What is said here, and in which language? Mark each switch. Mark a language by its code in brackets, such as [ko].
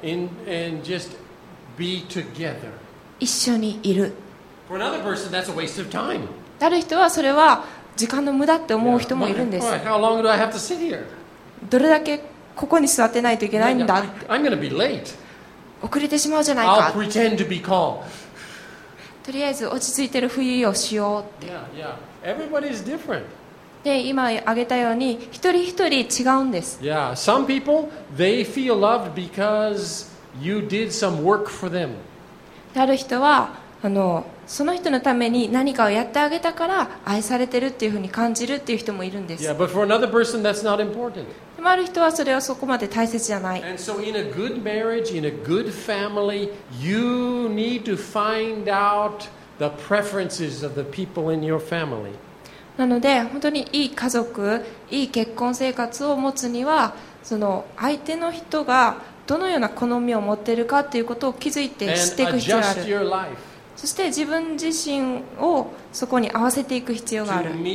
[en] and just be together. [ja] 一緒にいる。 [en] For another person, that's a waste of time. [ja] ある人はそれは時間の無駄って思う人もいるんです。 [en] How long do I have to sit here? [ja] どれだけここに座ってないといけないんだ。 [en] I'm going to be late. [ja] 遅れてしまうじゃないか。 [en] I'll pretend to be calm. [ja] とりあえず落ち着いてるふりをしようって。 [en] Yeah, yeah. Everybody's different. [ja] で、今挙げたように一人一人違うんです。 [en] Yeah, some people they feel loved because you did some work for them. [ja] ある人はその人のために何かをやってあげたから愛されてるっていうふうに感じるっていう人もいるんです。 [en] Yeah, but for another person, that's not important. [ja] でもある人はそれはそこまで大切じゃない。 [en] And so in a good marriage, in a good family, you need to find out the preferences of the people in your family. [ja] なので本当にいい家族、いい結婚生活を持つにはその相手の人がどのような好みを持っているかということを気づいて知っていく必要がある。 [en] And adjust your life. [ja] そして自分自身をそこに合わせていく必要がある。